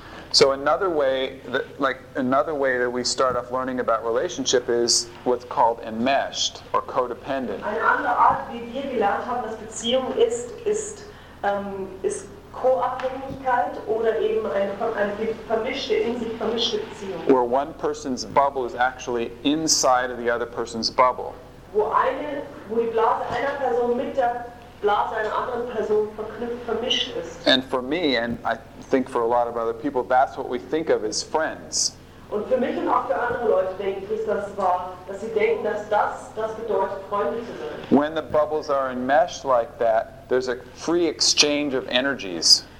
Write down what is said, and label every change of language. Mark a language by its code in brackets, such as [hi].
[en] So another way that we start off learning about relationship is what's called enmeshed or codependent. [de] Eine andere Art, wie wir gelernt haben, dass Beziehung ist Co-Abhängigkeit oder eben eine in sich vermischte Beziehung. [en] Where one person's bubble is actually inside of the other person's bubble. [de] Wo die Blase einer Person mit der Blase einer anderen Person vermischt ist. [en] And for me, and I think for a lot of other people, that's what we think of as friends. [de] Und für mich und auch für andere Leute denke ich, dass sie denken, dass das bedeutet, Freunde zu sein. [en] When the bubbles are enmeshed like that, there's a free exchange of energies.